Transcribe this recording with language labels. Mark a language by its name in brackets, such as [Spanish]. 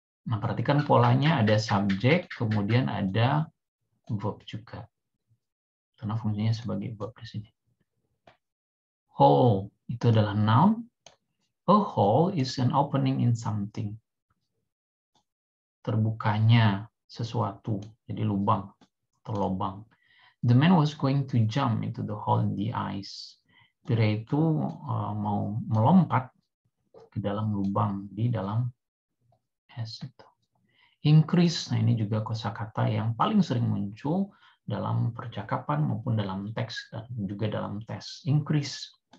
[Indonesian] Nah, perhatikan polanya, ada subjek, kemudian ada verb juga. Karena fungsinya sebagai verb di sini. Hole itu adalah noun. [English] A hole is an opening in something. [Indonesian] Terbukanya sesuatu, jadi lubang atau lubang. [English] The man was going to jump into the hole in the ice. [Indonesian] Pria itu mau melompat ke dalam lubang di dalam es itu. Increase, nah ini juga kosakata yang paling sering muncul dalam percakapan maupun dalam teks dan juga dalam tes. Increase.